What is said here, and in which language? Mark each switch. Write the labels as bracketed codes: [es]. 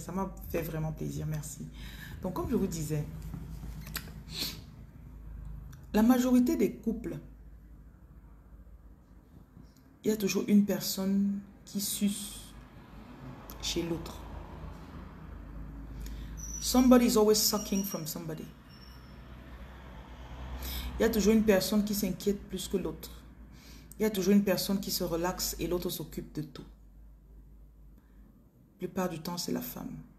[fr] Ça m'a fait vraiment plaisir, merci. Donc, comme je vous disais, la majorité des couples, il y a toujours une personne qui suce chez l'autre. [en] Somebody is always sucking from somebody. [fr] Il y a toujours une personne qui s'inquiète plus que l'autre. Il y a toujours une personne qui se relaxe et l'autre s'occupe de tout. La plupart du temps, c'est la femme.